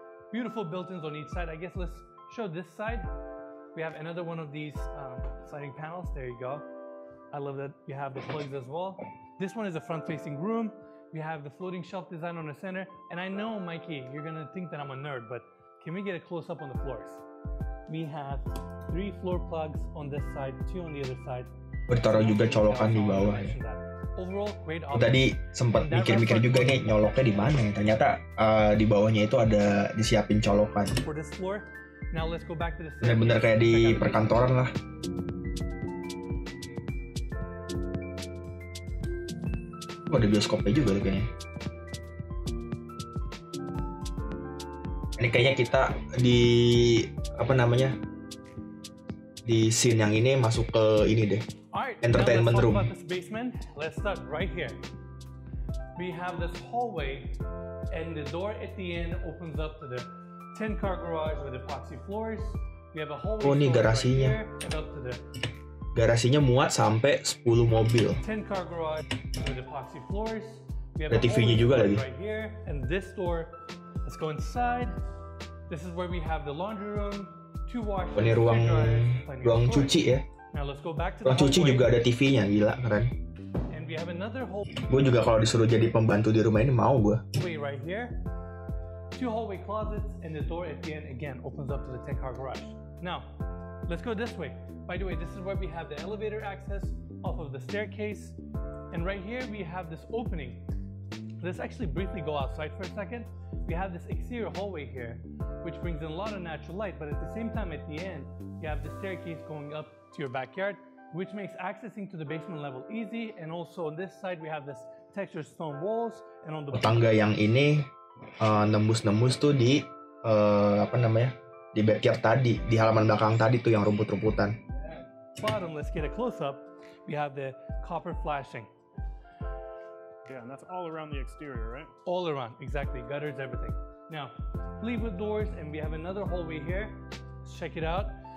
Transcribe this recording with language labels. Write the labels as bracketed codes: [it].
[en] Beautiful built-ins on each side. I guess let's show this side. We have another one of these sliding panels. There you go. I love that you have the plugs as well. This one is a front-facing room. We have the floating shelf design on the center. And I know, Mikey, you're gonna think that I'm a nerd, but can we get a close-up on the floors? We have three floor plugs on this side, two on the other side. [id] Bertaruh juga colokan di bawah. [en] Overall, great. [id] Tadi sempat mikir-mikir juga nih nyoloknya di mana? Ternyata di bawahnya itu ada disiapin colokan. [en] For this floor. Now let's go back to the [id] bener-bener kayak di perkantoran lah. Oh, ada bioskopnya juga kayaknya. Ini kayaknya kita di apa namanya? Di scene yang ini masuk ke ini deh. [en] Entertainment room. Let's start right here. We have this hallway and the door at the end opens up to the 10 car garage with epoxy floors. We have a hallway. [id] Oh, ini garasinya. Garasinya muat sampai 10 mobil. [en] 10 car garage with epoxy floors. [id] Ada TV-nya juga lagi. [en] Right here, and this door, let's go inside. This is where we have the laundry room, two washers. [id] Ini ruang cuci ya. [en] Now let's go back to [id] ruang cuci juga ada TV-nya, gila keren. [en] And we have another hall. [id] Gue juga kalau disuruh jadi pembantu di rumah ini mau gue. [en] Hallway right here, two hallway closets, and the door at the end again opens up to the 10 car garage. Now, let's go this way. By the way, this is where we have the elevator access off of the staircase. And right here we have this opening. Let's actually briefly go outside for a second. We have this exterior hallway here, which brings in a lot of natural light, but at the same time at the end, you have the staircase going up to your backyard, which makes accessing to the basement level easy. And also on this side we have this textured stone walls, and on the [id] tangga yang ini nembus-nembus tuh di apa namanya? Di backyard tadi, di halaman belakang tadi tuh yang rumput-rumputan. [en] Bottom, let's get a close up. We have the copper flashing. Yeah, and that's all around the exterior, right? All around, exactly. Gutters, everything. Now, leave with doors, and we have another hallway here. Let's check it out.